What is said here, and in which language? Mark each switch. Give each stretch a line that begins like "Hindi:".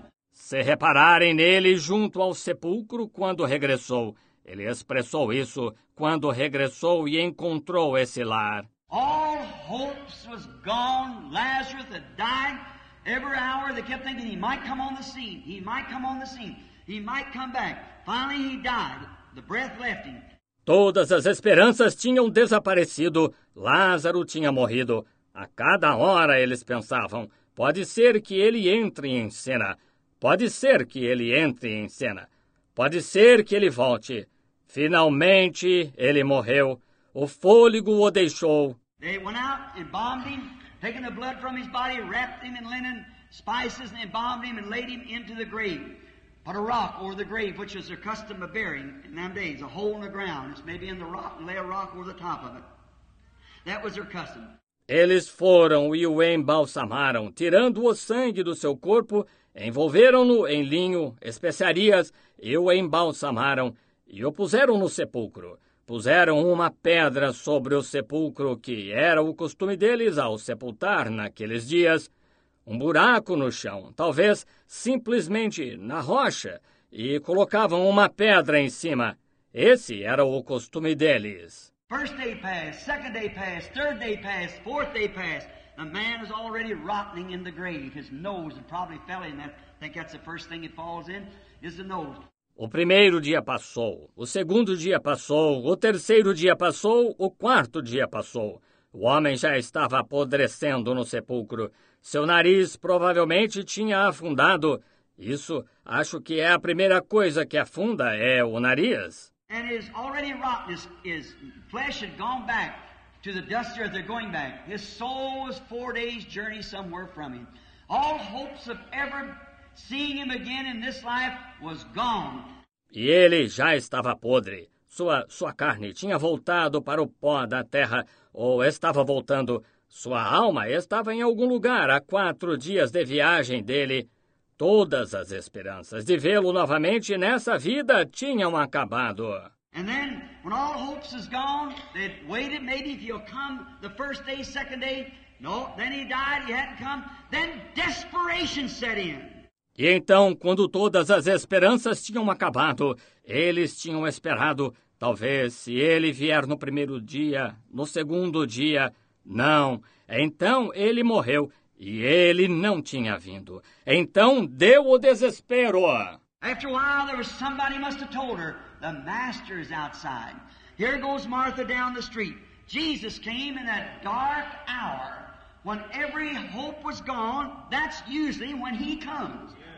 Portuguese: Se repararem nele junto ao sepulcro quando regressou, ele expressou isso quando regressou e encontrou esse lar.
English: All hopes was gone. Lazarus had died. Every hour they kept thinking he might come on the scene. He might come on the scene. He might come back. Finally he died. The breath left him.
Portuguese: Todas as esperanças tinham desaparecido. Lázaro tinha morrido. A cada hora eles pensavam, pode ser que ele entre em cena. Pode ser que ele entre em cena. Pode ser que ele volte. Finalmente ele morreu. O fôlego o deixou.
English: They went out and embalmed him, taking the blood from his body, wrapped him in linen, spices, and embalmed him and laid him into the grave. Put a rock over the grave, which is their custom of burying in them days, a hole in the ground. It's maybe in the rock, and lay a rock over the top of it. That was their custom.
Portuguese: Eles foram e o embalsamaram, tirando o sangue do seu corpo, envolveram-no em linho, especiarias, e o embalsamaram, e o puseram no sepulcro. Puseram uma pedra sobre o sepulcro, que era o costume deles ao sepultar naqueles dias, um buraco no chão, talvez simplesmente na rocha, e colocavam uma pedra em cima. Esse era o costume deles.
English: First day passed, second day passed, third day passed, fourth day passed. The man is already rotting in the grave. His nose had probably fell in that. I think that's the first thing it falls in, is the nose.
Portuguese: O primeiro dia passou, o segundo dia passou, o terceiro dia passou, o quarto dia passou. O homem já estava apodrecendo no sepulcro. Seu nariz provavelmente tinha afundado. Isso, acho que é a primeira coisa que afunda, é o nariz.
English: And his already rottenness, his flesh had gone back to the dust earth, they're going back. His soul was 4 days' journey somewhere from him. All hopes of ever seeing him again in this life was gone.
Portuguese: E ele já estava podre. Sua carne tinha voltado para o pó da terra, ou estava voltando. Sua alma estava em algum lugar há 4 dias de viagem dele. Todas as esperanças de vê-lo novamente nessa vida tinham acabado.
English: And then, when all hopes is gone, they'd waited maybe if he'll come the first day, second day. No, then he died, he hadn't come. Then desperation set in.
Portuguese: E então, quando todas as esperanças tinham acabado, eles tinham esperado, talvez, se ele vier no primeiro dia, no segundo dia, não. Então, ele morreu, e ele não tinha vindo. Então, deu o desespero.
English: After a while, there was somebody must have told her, the master is outside. Here goes Martha down the street. Jesus came in that dark hour. When every hope was gone, that's usually when he comes.